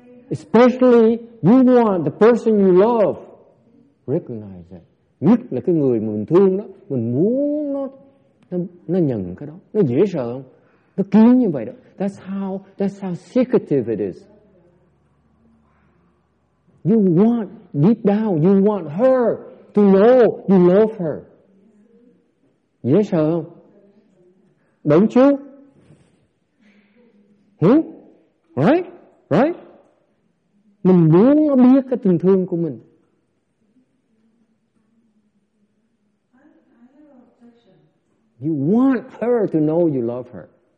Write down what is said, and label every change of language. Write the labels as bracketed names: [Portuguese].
[English] Especially you want the person you love recognize that. [Vietnamese] Nhất là cái người mình thương đó, mình muốn nó nhận cái đó. Nó dễ sợ không? Nó kiếm như vậy đó. [English] That's how secretive it is. You want deep down, you want her to know you love her. [Vietnamese] Dễ sợ không? [English] Don't you? Hmm? Right? [Vietnamese] Mình muốn nó biết cái tình thương của mình. [English] You want her to know you love her.